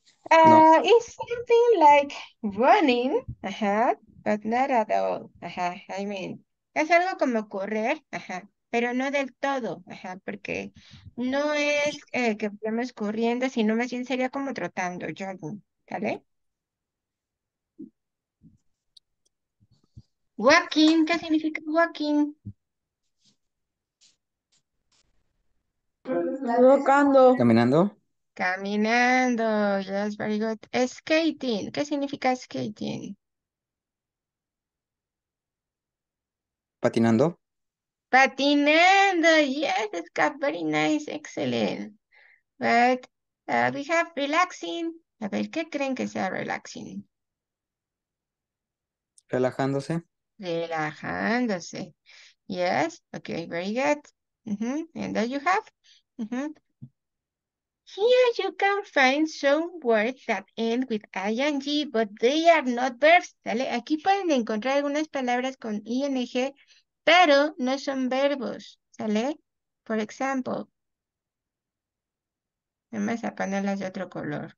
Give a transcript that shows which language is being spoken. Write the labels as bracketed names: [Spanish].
[English] It's something like running, but not at all. I mean, [Spanish] es algo como correr, pero no del todo, porque no es que vayamos corriendo, sino más bien sería como trotando, jogging, ¿vale? Walking, ¿qué significa walking? Tocando. Caminando. [English] Caminando, yes, very good. Skating, [Spanish] ¿qué significa skating? Patinando. [English] Patinando, yes, it's got very nice, excellent. But we have relaxing. [Spanish] A ver, ¿qué creen que sea relaxing? Relajándose. [English] Relajándose, yes, okay, very good. And that you have? Here you can find some words that end with ing, but they are not verbs, ¿vale? [Spanish] Aquí pueden encontrar algunas palabras con ing, pero no son verbos, ¿sale? [English] For example, [Spanish] vamos a ponerlas de otro color.